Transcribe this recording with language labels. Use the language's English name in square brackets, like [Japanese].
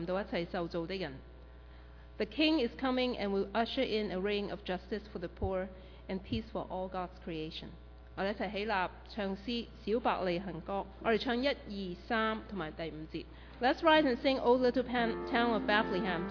[English] The king is coming and will usher in a reign of justice for the poor and peace for all God's creation. [Cantonese] 我们一起起立唱诗小百利行歌，我们唱一二三同埋第五节。 [English] Let's rise and sing O Little Town of Bethlehem.